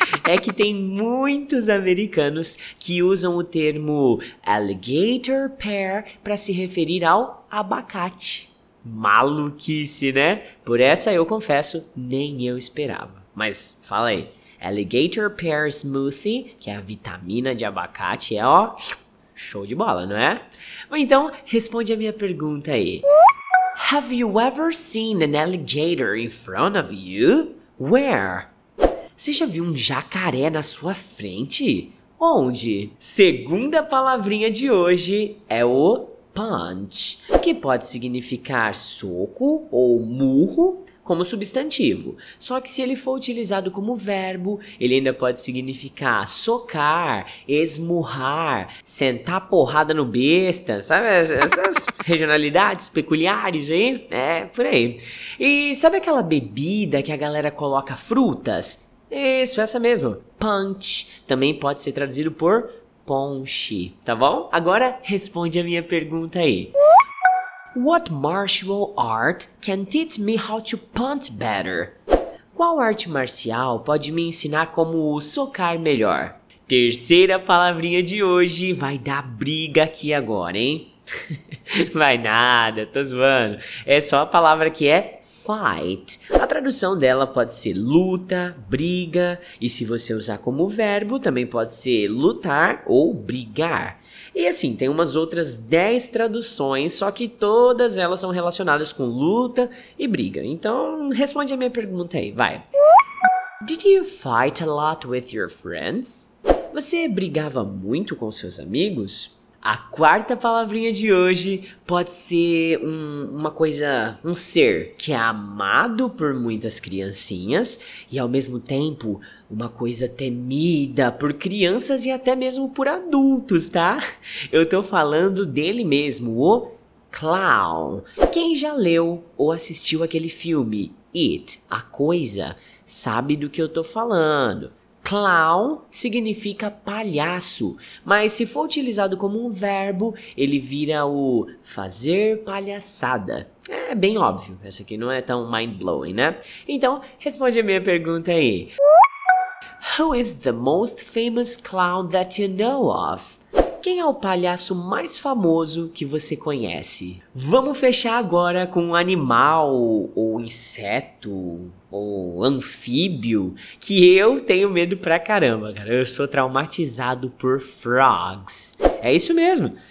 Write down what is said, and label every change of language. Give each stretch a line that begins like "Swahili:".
Portuguese: É que tem muitos americanos que usam o termo alligator pear pra se referir ao abacate. Maluquice, né? Por essa eu confesso, nem eu esperava. Mas fala aí. Alligator pear smoothie, que é a vitamina de abacate, é ó, show de bola, não é? Então, responde a minha pergunta aí.
English: Have you ever seen an alligator in front of you? Where?
Portuguese: Você já viu um jacaré na sua frente? Onde? Segunda palavrinha de hoje é o punch, que pode significar soco ou murro como substantivo. Só que se ele for utilizado como verbo, ele ainda pode significar socar, esmurrar, sentar porrada no besta, sabe? Essas regionalidades peculiares aí, é por aí. E sabe aquela bebida que a galera coloca frutas? Isso, essa mesmo. Punch. Também pode ser traduzido por ponche, tá bom? Agora responde a minha pergunta aí.
English: What martial art can teach me how to punch better?
Portuguese: Qual arte marcial pode me ensinar como socar melhor? Terceira palavrinha de hoje vai dar briga aqui agora, hein? Vai nada, tô zoando. É só a palavra que é fight. A tradução dela pode ser luta, briga, e se você usar como verbo, também pode ser lutar ou brigar. E assim, tem umas outras 10 traduções, só que todas elas são relacionadas com luta e briga. Então, responde a minha pergunta aí, vai.
English: Did you fight a lot with your friends?
Portuguese: Você brigava muito com seus amigos? A quarta palavrinha de hoje pode ser um ser que é amado por muitas criancinhas e, ao mesmo tempo, uma coisa temida por crianças e até mesmo por adultos, tá? Eu tô falando dele mesmo, o clown. Quem já leu ou assistiu aquele filme It, a Coisa, sabe do que eu tô falando. Clown significa palhaço, mas se for utilizado como um verbo, ele vira o fazer palhaçada. É bem óbvio, essa aqui não é tão mind-blowing, né? Então, responde a minha pergunta aí.
English: Who is the most famous clown that you know of?
Portuguese: Quem é o palhaço mais famoso que você conhece? Vamos fechar agora com um animal, ou inseto, ou anfíbio, que eu tenho medo pra caramba, cara. Eu sou traumatizado por frogs. É isso mesmo.